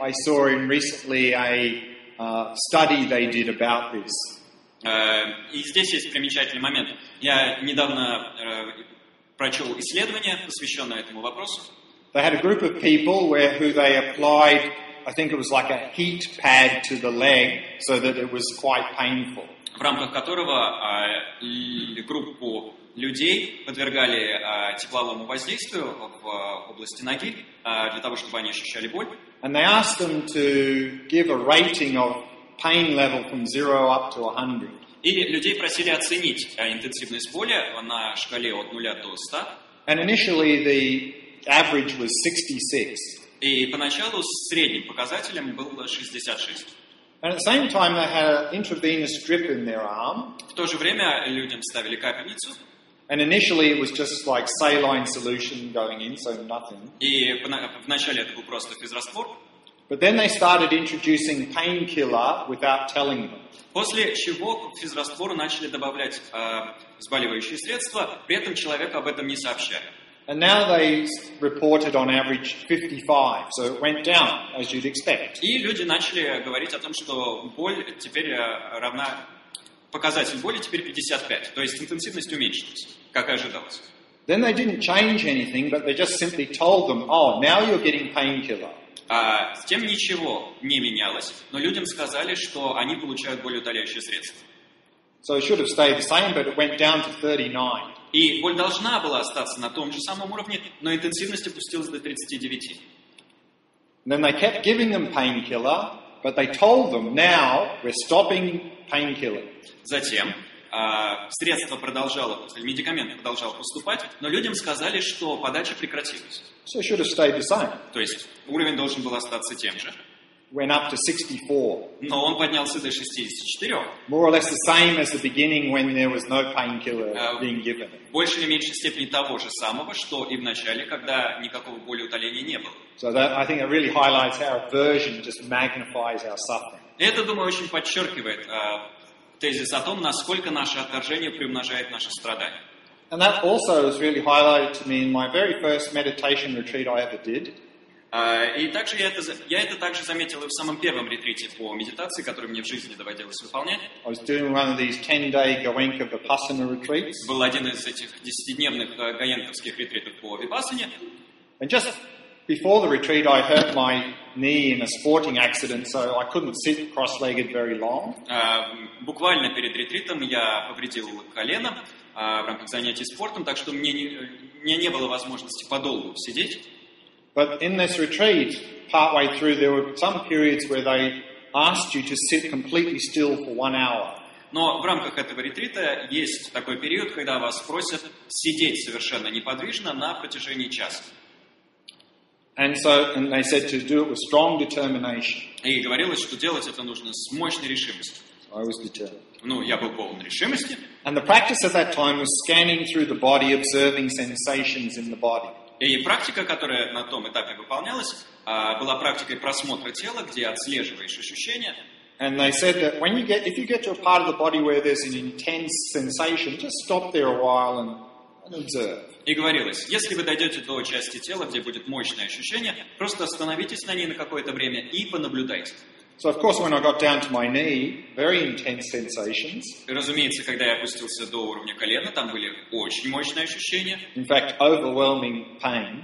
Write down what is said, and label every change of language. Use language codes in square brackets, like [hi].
[en] I saw in recently a study they did about this. [ru] И здесь есть примечательный момент. Я недавно прочел исследование, посвященное этому вопросу. [en] They had a group of people who they applied, I think it was like a heat pad to the leg, so that it was quite painful. [ru] В рамках которого группу людей подвергали тепловому воздействию в области ноги для того, чтобы они ощущали боль. [en] And they asked them to give a rating of pain level from 0 up to 100. [ru] И людей просили оценить интенсивность боли на шкале от 0 до 100. [en] And initially the average was 66. [ru] И поначалу средним показателем было 66. [en] And at the same time they had an intravenous drip in their arm. [ru] В то же время людям ставили капельницу. [en] And initially it was just like saline solution going in, so nothing. [ru] И вначале это был просто физраствор. [en] But then they started introducing painkiller without telling them. [ru] После чего к физраствору начали добавлять взболивающие средства, при этом человеку об этом не сообщали. [en] And now they reported on average 55, so it went down, as you'd expect. [ru] И люди начали говорить о том, что боль теперь равна показателю боли теперь 55, то есть интенсивность уменьшилась, как и ожидалось. [en] Then they didn't change anything, but they just simply told them, oh, now you're getting painkiller. [ru] С тем ничего не менялось, но людям сказали, что они получают болеутоляющие средства. [en] So it should have stayed the same, but it went down to 39. [ru] И боль должна была остаться на том же самом уровне, но интенсивность опустилась до 39. [en] Then they kept giving them painkiller, but they told them, now we're stopping painkiller. [ru] Затем средство продолжало, медикамент продолжал поступать, но людям сказали, что подача прекратилась. [en] So it should have stayed the same. [ru] То есть уровень должен был остаться тем же. [en] went up to 64. [ru] Но он поднялся до 64. [en] More or less the same as the beginning when there was no painkiller being given. [ru] Больше или меньше степени того же самого, что и в начале, когда никакого болеутоления не было. [en] So that, I think it really highlights how aversion just magnifies our suffering. [ru] Это, думаю, очень подчеркивает тезис о том, насколько наше отторжение приумножает наши страдания. [en] And that also was really highlighted to me in my very first meditation retreat I ever did. [ru] И также я это также заметил и в самом первом ретрите по медитации, который мне в жизни доводилось выполнять. [en] I was doing one of these 10-day Goenka Vipassana retreats. [ru] Был один из этих 10-дневных гоенковских ретритов по Випассане. [en] And just before the retreat, I hurt my knee in a sporting accident, so I couldn't sit cross-legged very long. [ru] Буквально перед ретритом я повредил колено в рамках занятий спортом, так что мне не было возможности подолгу сидеть. [en] But in this retreat, partway through, there were some periods where they asked you to sit completely still for 1 hour. [ru] Но в рамках этого ретрита есть такой период, когда вас просят сидеть совершенно неподвижно на протяжении часа. [en] And they said to do it with strong determination. [ru] И говорилось, что делать это нужно с мощной решимостью. [en] So I was determined. [ru] Ну, я был полон решимости. [en] And the practice at that time was scanning through the body, observing sensations in the body. [ru] И практика, которая на том этапе выполнялась, была практикой просмотра тела, где отслеживаешь ощущения. [en] And they said that when you get, if you get to a part of the body where there's an intense sensation, just stop there a while and observe. [ru] И говорилось, если вы дойдете до части тела, где будет мощное ощущение, просто остановитесь на ней на какое-то время и понаблюдайте. [en] So of course, when I got down to my knee, very intense sensations. [ru] Разумеется, когда я опустился до уровня колена, там были очень мощные ощущения. [en] In fact, overwhelming pain.